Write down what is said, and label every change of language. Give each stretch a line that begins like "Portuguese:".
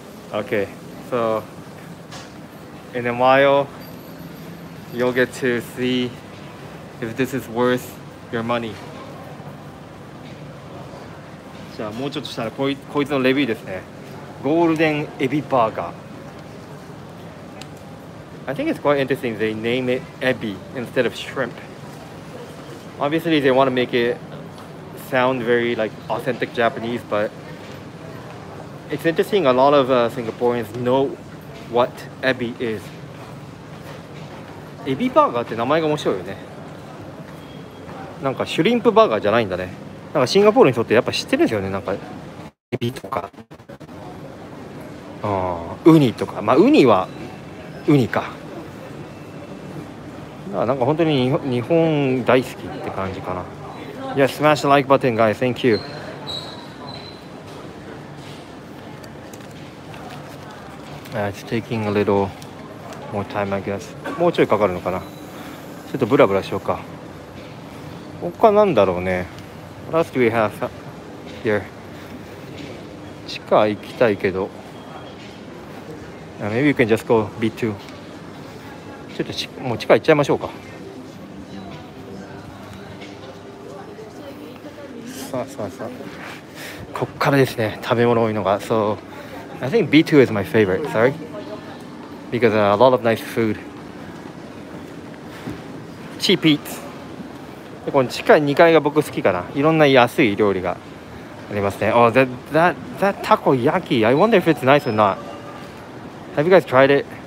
English: Okay, so in a while you'll get to see if this is worth your money.
Japanese: じゃあもうちょっとしたらこいつのレビューですね。ゴールデンエビバーガー。
English: I think it's quite interesting they name it Ebi instead of shrimp. Obviously, they want to make it sound very like authentic Japanese, but it's interesting. A lot of Singaporeans know what Ebi is.
Japanese: Ebi burger って名前が面白いよね。なんかシュリンプバーガーじゃないんだね。なんかシンガポールにとってやっぱ知ってるんですよね。なんかエビとか、ウニとか、まあウニはウニか。なんか本当に日本大好きって感じかな。
English: Yes, smash the like button, guys. Thank you. It's taking a little more time, I guess.
Japanese: もうちょいかかるのかな。ちょっとブラブラしようか。他なんだろうね。 What else do we have here?
English: 地下行きたいけど、 Maybe you can just go B2.
Japanese: ちょっともう地下行っちゃいましょうか。さあさあさあ、こっからですね、食べ物多いのが。
English: So I think B2 is my favorite, sorry, because a lot of nice food.
Japanese: Cheap eats. この地下2階が僕好きかな。いろんな安い料理が
English: Arimasu ne. Oh, that takoyaki. I wonder if it's nice or not. Have you guys tried it?